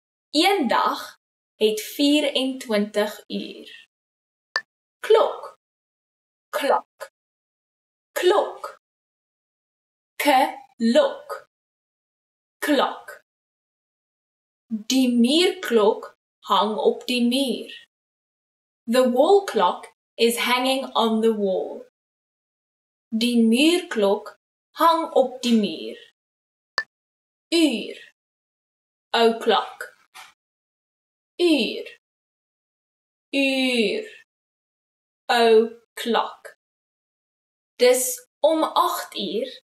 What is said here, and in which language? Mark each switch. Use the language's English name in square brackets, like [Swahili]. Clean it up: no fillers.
[Afrikaans] Eendag het 24 uur. Klok. Klok. Klok. Klok. Klok. Die muurklok hang op die muur. [English] The wall clock is hanging on the wall. [Afrikaans] Die muurklok hang op die muur. Uur. O'clock. Uur. Uur. O'clock. Dis om 8 uur.